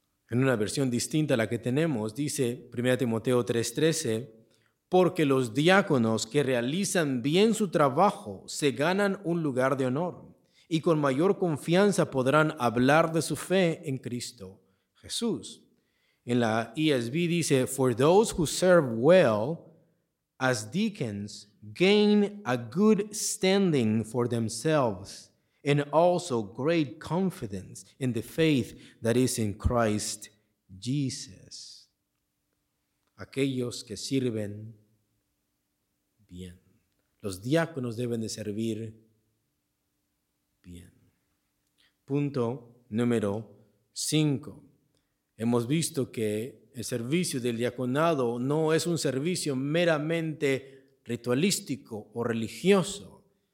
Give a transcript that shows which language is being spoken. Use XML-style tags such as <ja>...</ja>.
<es>En una versión distinta a la que tenemos, dice 1 Timoteo 3:13, porque los diáconos que realizan bien su trabajo se ganan un lugar de honor y con mayor confianza podrán hablar de su fe en Cristo Jesús.</es> <en>En la ESV dice, for those who serve well as deacons gain a good standing for themselves and also great confidence in the faith that is in Christ Jesus.</en> <es>Aquellos que sirven bien. Los diáconos deben de servir bien. Punto número 5. Hemos visto que el servicio del diaconado no es un servicio meramente ritualístico o religioso.</es>